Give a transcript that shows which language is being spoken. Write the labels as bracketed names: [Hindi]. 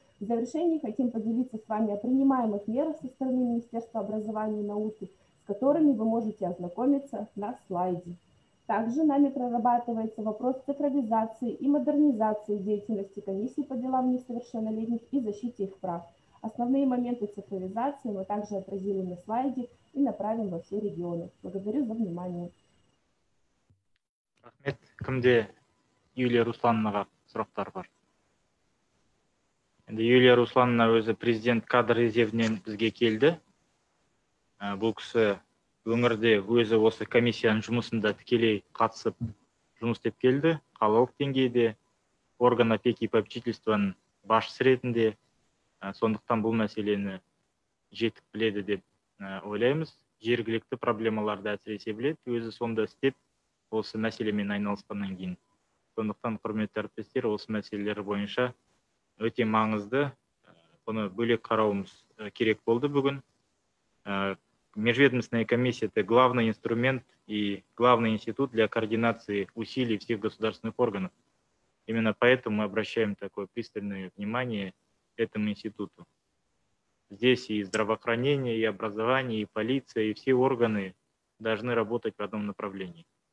[Russian] В завершении хотим поделиться с вами о принимаемых мерах со стороны Министерства образования и науки, с которыми вы можете ознакомиться на слайде. Также нами прорабатывается вопрос цифровизации и модернизации деятельности комиссии по делам несовершеннолетних и защите их прав. Основные моменты цифровизации мы также отразили на слайде и направим во все регионы. Благодарю за внимание. [Kazakh] Рахмет. Кімде Юлия Руслановна сұрақтар бар? Юлия Руслановна өзі президент кадр резервінен бізге келді. Бұл кісі өңірде өзі осы комиссияның жұмысында тікелей қатысып жұмыс деп келді. Қалалық деңгейде [Russian] орган опеки и попечительствоның [Kazakh] басшысы ретінде. Сондықтан бұл мәселені жетік біледі деп ойлаймыз. Жергілікті проблемаларды әсіресе біледі. Өзі сонда істеп осы мәселемен айналысқаннан кейін. Сондықтан құрметті әріптестер осы мәселелер бойынша өте маңызды, бұны бөлек қарауымыз керек болды бүгін. [Russian] Межведомственная комиссия – это главный инструмент и главный институт для координации усилий всех государственных органов. Именно поэтому мы обращаем такое пристальное внимание этому институту. Здесь и здравоохранение, и образование, и полиция, и все органы должны работать в одном направлении.